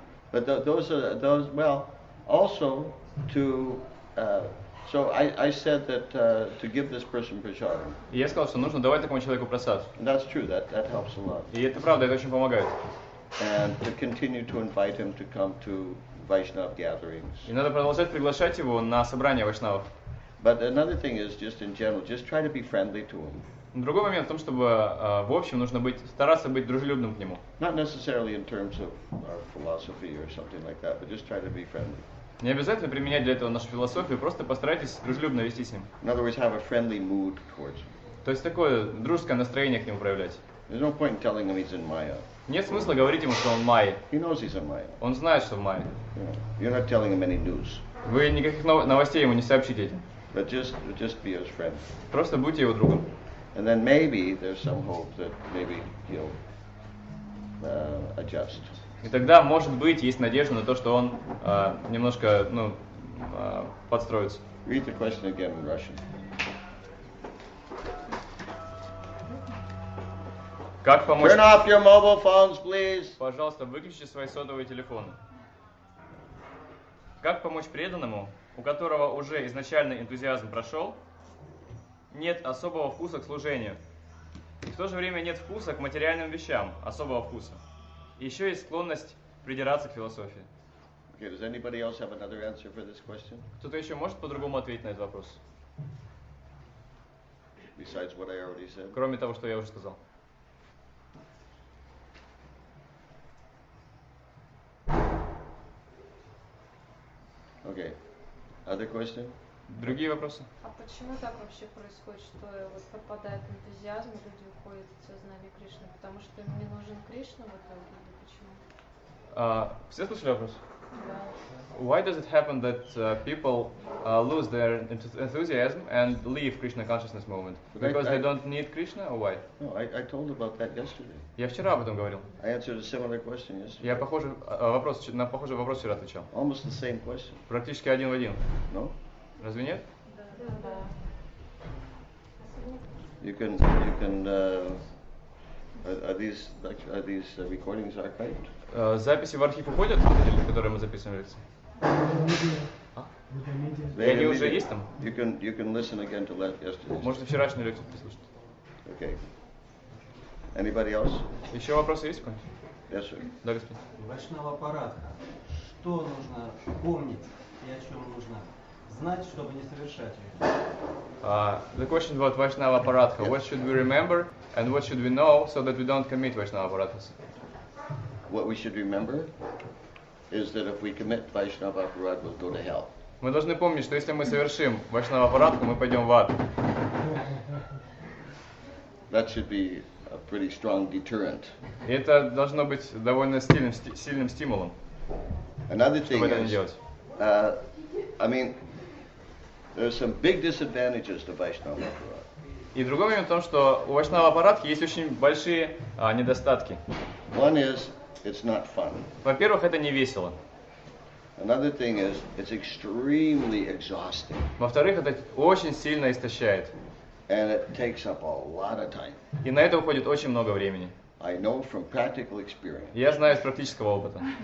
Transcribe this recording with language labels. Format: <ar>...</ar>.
<en>But I said that to give this person prasadam.</en> <ru>Я сказал, что нужно давать такому человеку просад.</ru> <en>That's true. That helps a lot.</en> <ru>И это правда, это очень помогает.</ru> <en>And to continue to invite him to come to Vaishnava gatherings.</en> <ru>И надо продолжать приглашать его на собрания вайшнавов.</ru> <en>But another thing is just in general, just try to be friendly to him.</en> <ru>Другой момент в том, чтобы в общем нужно быть, стараться быть дружелюбным к нему.</ru> <en>Not necessarily in terms of our philosophy or something like that, but just try to be friendly.</en> <ru>Не обязательно применять для этого нашу философию, просто постарайтесь дружелюбно вести с ним.</ru> <en>In other words, have a friendly mood towards him.</en> <ru>То есть такое дружеское настроение к нему проявлять.</ru> <en>There's no point in telling him he's in Maya.</en> <ru>Нет смысла говорить ему, что он Майя.</ru> <en>He knows he's in Maya.</en> <ru>Он знает, что в Майе.</ru> <en>You're not telling him any news.</en> <ru>Вы никаких новостей ему не сообщите.</ru> <en>But just be his friend.</en> <ru>Просто будьте его другом.</ru> <en>And then maybe there's some hope that maybe he'll adjust.</en> <ru>И тогда, может быть, есть надежда на то, что он немножко, ну, подстроится.</ru> <en>Read the question again in Russian.</en> <ru>Как помочь?</ru> <en>Turn off your mobile phones, please.</en> <ru>Пожалуйста, выключите свои сотовые телефоны. Как помочь преданному, у которого уже изначально энтузиазм прошел, нет особого вкуса к служению, и в то же время нет вкуса к материальным вещам, особого вкуса. Еще есть склонность придираться к философии.</ru> <en>Okay, does anybody else have another answer for this question?</en> <ru>Кто-то еще может по-другому ответить на этот вопрос?</ru> <en>Besides what I already said.</en> <ru>Кроме того, что я уже сказал.</ru> <en>Okay. Other question?</en> <ru>Другие вопросы? А почему так вообще происходит, что вот пропадает энтузиазм, люди уходят от сознания Кришны? Потому что им не нужен Кришна в этом году, почему? Все слышали вопрос? Да.</ru> <en>Why does it happen that people lose their enthusiasm and leave Krishna consciousness movement? Because they don't need Krishna, or why? No, I told about that yesterday.</en> <ru>Я вчера об этом говорил.</ru> <en>I answered a similar question yesterday.</en> <ru>Я похожий вопрос вчера отвечал.</ru> <en>Almost the same question.</en> <ru>Практически один в один.</ru> <en>No?</en> <ru>Разве нет? Да.</ru> <en>Are these recordings archived?</en> <ru>Записи в архив уходят, которые мы записываем в лекции? Они уже есть там?</ru> <en>You can listen again to that yesterday.</en> <ru>Можно вчерашнюю лекцию послушать.</ru> <en>Okay. Anybody else?</en> <ru>Еще вопросы есть какие-нибудь?</ru> <en>Yes, sir.</en> <ru>Да, господин. Вайшнава парадха. Что нужно помнить и о чем нужно знать, чтобы не совершать ее?</ru> <en>The question about Vaishnava Paratha. What should we remember and what should we know so that we don't commit Vaishnava Paratha? What we should remember is that if we commit Vaishnava Paratha, we'll go to hell.</en> <ru>Мы должны помнить, что если мы совершим Vaishnava Paratha, мы пойдем в ад.</ru> <en>That should be a pretty strong deterrent.</en> <ru>Это должно быть довольно сильным стимулом.</ru> <en>Another thing is, I mean, there are some big disadvantages to Vaishnava aparat.</en> <ru>И другой момент в том, что у Vaishnava aparat есть очень большие недостатки.</ru> <en>One is, it's not fun.</en> <ru>Во-первых, это не весело.</ru> <en>Another thing is, it's extremely exhausting.</en> <ru>Во-вторых, это очень сильно истощает.</ru> <en>And it takes up a lot of time.</en> <ru>И на это уходит очень много времени.</ru> <en>I know from practical experience.</en> <ru>Я знаю из практического опыта.</ru>